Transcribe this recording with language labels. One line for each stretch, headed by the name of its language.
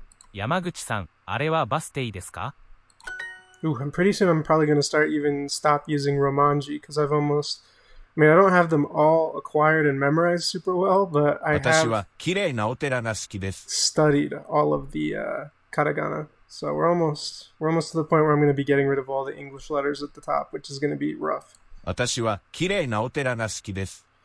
Japanese: あれはバス停ですか?山口さん、あれはバス停ですか?
English: Ooh, I'm pretty soon I'm probably going to start even stop using Romanji because I've almost... I mean, I don't have them all acquired and memorized super well, but I have studied all of the katagana. So we're almost to the point where I'm going to be getting rid of all the English letters at the top, which is going to be rough.
Japanese: 私は綺麗なお寺が好きです。